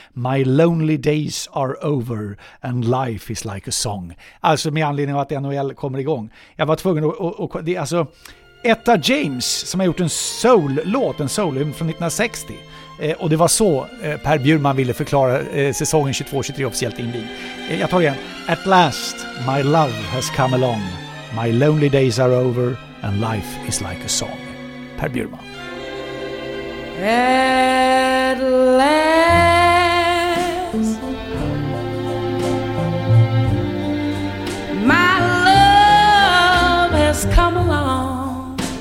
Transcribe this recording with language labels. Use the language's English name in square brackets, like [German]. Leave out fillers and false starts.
[English] My lonely days are over and life is like a song." [Swedish] Alltså med anledning av att NHL kommer igång. Jag var tvungen att... Alltså, Etta James som har gjort en soul-låt, en soul-hymn från 1960. Och det var så Per Bjurman ville förklara säsongen 22-23 officiellt invigd. Jag tar igen. [English] "At last, my love has come along. My lonely days are over and life is like a song." [Swedish] Per Bjurman. [English] At last, my love has come along.